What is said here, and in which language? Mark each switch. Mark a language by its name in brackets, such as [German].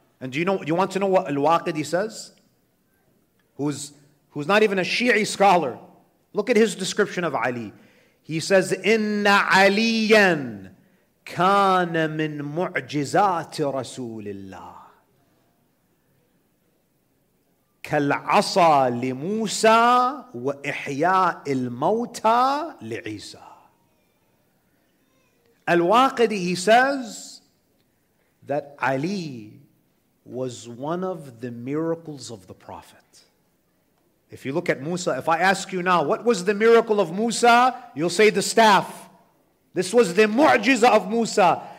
[English] And do you want to know what Al-Waqidi says? Who's not even a Shi'i scholar. Look at his description of Ali. He says, [Arabic] "Inna Aliyan kana min mu'jizati Rasulillah." كالعصا لموسى وإحياء الموتى لعيسى. [English] Al-Waqidi, he says that Ali was one of the miracles of the Prophet. If you look at Musa, if I ask you now, what was the miracle of Musa? You'll say the staff. This was the mu'jiza of Musa.